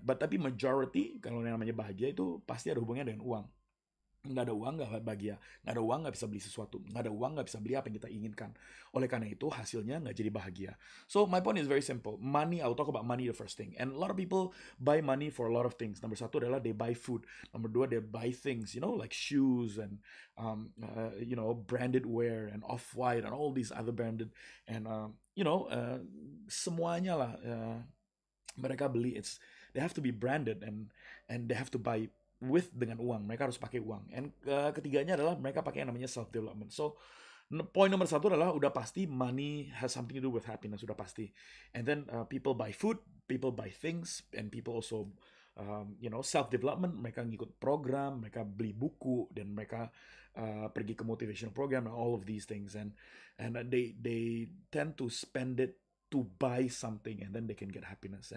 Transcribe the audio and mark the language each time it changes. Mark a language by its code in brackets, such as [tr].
[id] But tapi majority, kalau yang namanya bahagia itu pasti ada hubungannya dengan uang. Nggak ada uang nggak bahagia, nggak ada uang nggak bisa beli sesuatu, nggak ada uang nggak bisa beli apa yang kita inginkan. Oleh karena itu hasilnya nggak jadi bahagia. [en] So my point is very simple. Money, I'll talk about money the first thing. And a lot of people buy money for a lot of things. Number 1 adalah they buy food. Number 2 they buy things, you know, like shoes and you know, branded wear and Off-White and all these other branded, and [id] semuanya lah mereka beli. [en] It's, they have to be branded and they have to buy with, [id] dengan uang, mereka harus pakai uang. And ketiganya adalah mereka pakai yang namanya self-development. [en] So, [id] point nomor 1 adalah udah pasti [en] money has something to do with happiness, [id] sudah pasti. [en] And then people buy food, people buy things, and people also, self-development, [id] mereka ngikut program, mereka beli buku, dan mereka pergi ke motivational program, [en] and all of these things. And they tend to spend it to buy something, and then they can get happiness.